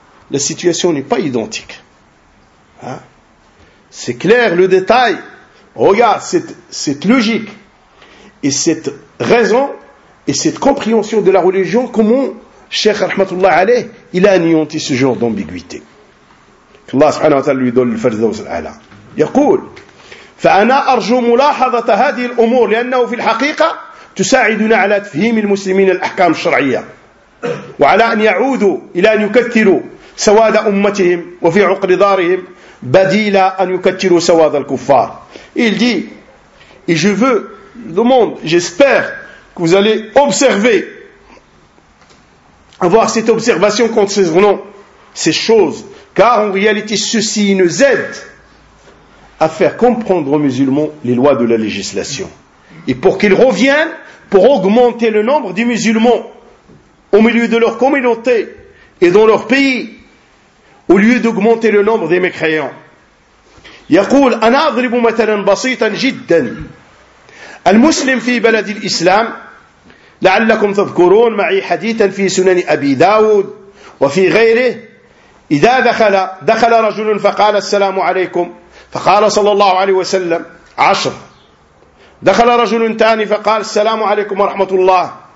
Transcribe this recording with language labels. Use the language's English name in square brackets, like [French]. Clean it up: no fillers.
[French] La situation n'est pas identique. Hein? C'est clair, le détail. Regarde cette logique et cette raison et cette compréhension de la religion, comment Cheikh Rahmatullah Alayh, il a anéanti ce genre d'ambiguïté. Allah subhanahu wa ta'ala lui donne le Firdaws al-A'la. [Arabic] Yaqul, fa'ana arju mulahadat hadhihi al-umur, li'annahu fi al-haqiqa tusa'iduna 'ala tafhim al-muslimin al-ahkam al-shar'iyya وعلى أن يعودوا إلى أن يكثروا سواد أمتهم وفي عقر دارهم بديلا أن يكثروا سواد الكفار. [French] Il dit, et je veux, demande, j'espère que vous allez observer, avoir cette observation contre ces noms, ces choses, car en réalité ceci nous aide à faire comprendre aux musulmans les lois de la législation. Et pour qu'ils reviennent, pour augmenter le nombre des musulmans au milieu de leur communauté et dans leur pays, au lieu d'augmenter le nombre des mécréants. [Arabic] يقول انا اضرب مثلا بسيطا جدا المسلم في بلد الاسلام لعلكم تذكرون معي حديثا في سنن ابي داود وفي غيره اذا دخل رجل فقال السلام عليكم فقال صلى الله عليه وسلم عشر دخل رجل ثاني فقال السلام عليكم ورحمه الله